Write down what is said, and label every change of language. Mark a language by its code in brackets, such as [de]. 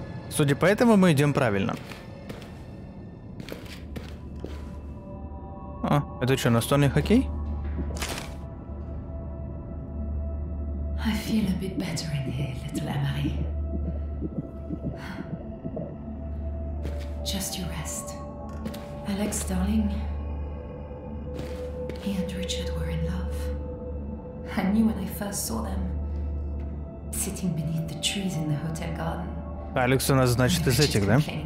[ru] Судя по этому, мы идем правильно. Это что, настольный хоккей? [en] I feel a bit better in here, little Emily. Just you rest. Alex, darling. He and Richard were in love. I knew when I first saw them sitting beneath the trees in the hotel garden. [ru] Алекс у нас, значит, из этих, да?